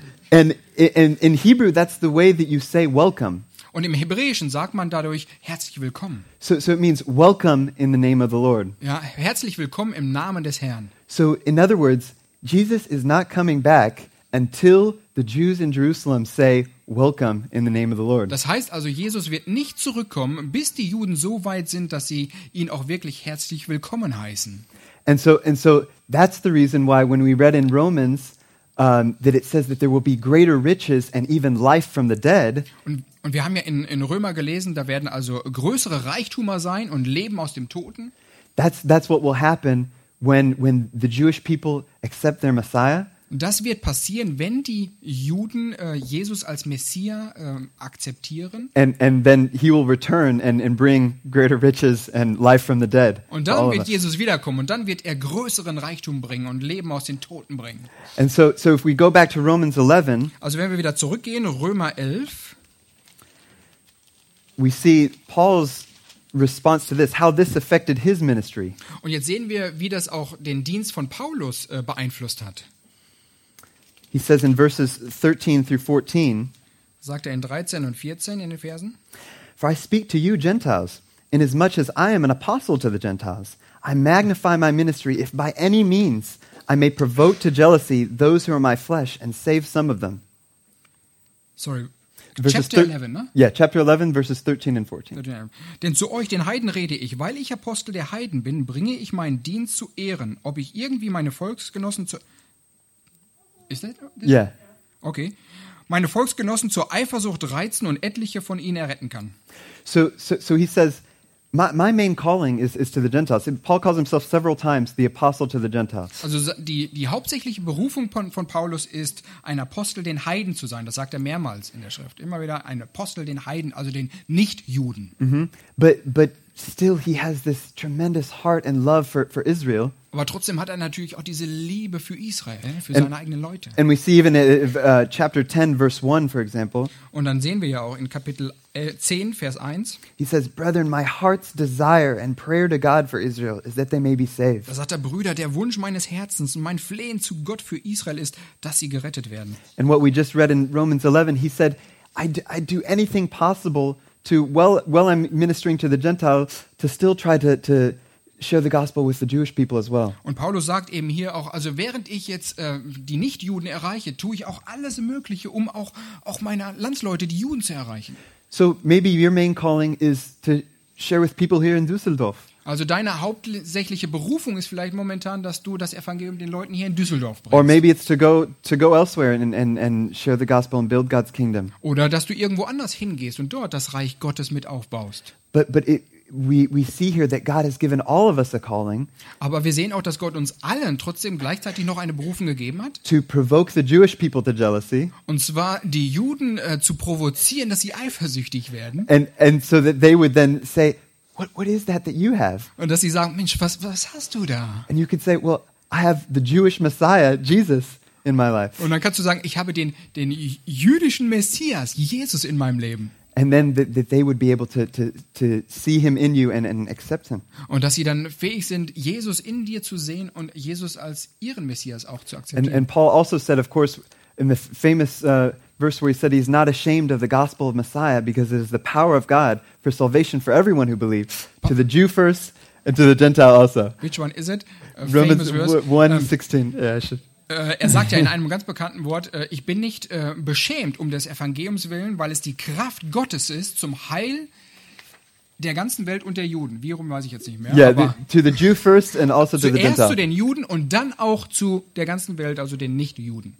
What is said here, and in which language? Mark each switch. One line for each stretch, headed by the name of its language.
English: And in Hebrew, that's the way that you say welcome.
German: Und im Hebräischen sagt man dadurch herzlich willkommen.
English: So it means welcome in the name of the Lord.
German: Ja, herzlich willkommen im Namen des Herrn.
English: So in other words, Jesus is not coming back until the Jews in Jerusalem say welcome in the name of the Lord.
German: Das heißt also, Jesus wird nicht zurückkommen, bis die Juden so weit sind, dass sie ihn auch wirklich herzlich willkommen heißen.
English: And so that's the reason why when we read in Romans that it says that there will be greater riches and even life from the dead.
German: Und wir haben ja in Römer gelesen, da werden also größere Reichtümer sein und Leben aus dem Toten.
English: That's what will happen when the Jewish people accept their Messiah.
German: Das wird passieren, wenn die Juden Jesus als Messias akzeptieren.
English: And then he will return and bring greater riches and life from the dead.
German: Und dann wird Jesus wiederkommen und dann wird er größeren Reichtum bringen und Leben aus den Toten bringen.
English: And so if we go back to Romans 11.
German: Also wenn wir wieder zurückgehen, Römer 11.
English: We see Paul's response to this, how this affected his ministry.
German: Und jetzt sehen wir, wie das auch den Dienst von Paulus beeinflusst hat.
English: He says in verses 13 through 14.
German: Sagt er in 13 und 14 in den Versen.
English: For I speak to you Gentiles, inasmuch as I am an apostle to the Gentiles, I magnify my ministry if by any means I may provoke to jealousy those who are my flesh and save some of them. Sorry. Chapter 11, ne? Yeah, chapter 11, verses 13 and 14.
German: Denn zu euch, den Heiden, rede ich, weil ich Apostel der Heiden bin, bringe ich meinen Dienst zu Ehren, ob ich irgendwie meine Volksgenossen zu...
English: Is that... Yeah. Okay.
German: Meine Volksgenossen zur Eifersucht reizen und etliche von ihnen erretten kann.
English: So he says, my main calling is to the Gentiles. Paul calls himself several times the apostle to the Gentiles.
German: Also die hauptsächliche Berufung von Paulus ist, ein Apostel den Heiden zu sein. Das sagt er mehrmals in der Schrift. Immer wieder ein Apostel den Heiden, also den Nicht-Juden. Mm-hmm.
English: But still he has this tremendous heart and love for Israel.
German: Aber trotzdem hat er natürlich auch diese Liebe für Israel, für seine eigenen Leute.
English: And we see even in chapter 10, verse 1, for example.
German: Und dann sehen wir ja auch in Kapitel 10, Vers 1.
English: He says, brethren, my heart's desire and prayer to God for Israel is that they may be saved.
German: Da sagt er, Brüder, der Wunsch meines Herzens und mein Flehen zu Gott für Israel ist, dass sie gerettet werden.
English: And what we just read in Romans 11, he said, I do anything possible to, while I'm ministering to the Gentiles, to still try to share the gospel with the Jewish people as well.
German: Und Paulus sagt eben hier auch, also während ich jetzt die Nichtjuden erreiche, tue ich auch alles Mögliche, um auch meine Landsleute, die Juden, zu erreichen.
English: So maybe your main calling is to share with people here in Düsseldorf.
German: Also deine hauptsächliche Berufung ist vielleicht momentan, dass du das Evangelium den Leuten hier in Düsseldorf bringst.
English: Or maybe it's to go elsewhere and share the gospel and build God's kingdom.
German: Oder dass du irgendwo anders hingehst und dort das Reich Gottes mit aufbaust.
English: But we see here that God has given all of us a calling.
German: Aber wir sehen auch, dass Gott uns allen trotzdem gleichzeitig noch eine Berufung gegeben hat.
English: To provoke the Jewish people to jealousy.
German: Und zwar die Juden zu provozieren, dass sie eifersüchtig werden.
English: And so that they would then say, what is that that you have?
German: Und dass sie sagen, Mensch, was hast du da?
English: And you could say, well, I have the Jewish Messiah, Jesus, in my life.
German: Und dann kannst du sagen, ich habe den jüdischen Messias, Jesus, in meinem Leben.
English: And then that they would be able to see him in you and accept him.
German: Und dass sie dann fähig sind, Jesus in dir zu sehen und Jesus als ihren Messias auch zu akzeptieren.
English: And Paul also said, of course, in the famous verse where he said he's not ashamed of the gospel of Messiah because it is the power of God for salvation for everyone who believes, to the Jew first and to the Gentile also. Which one is it? Romans 1:16. Yeah, I should.
German: Er sagt ja in einem ganz bekannten Wort, ich bin nicht beschämt um des Evangeliums willen, weil es die Kraft Gottes ist zum Heil der ganzen Welt und der Juden. Wie rum weiß ich jetzt nicht mehr.
English: Yeah, to the Jew first and also to the Gentile.
German: Zuerst zu den Juden und dann auch zu der ganzen Welt, also den Nicht-Juden.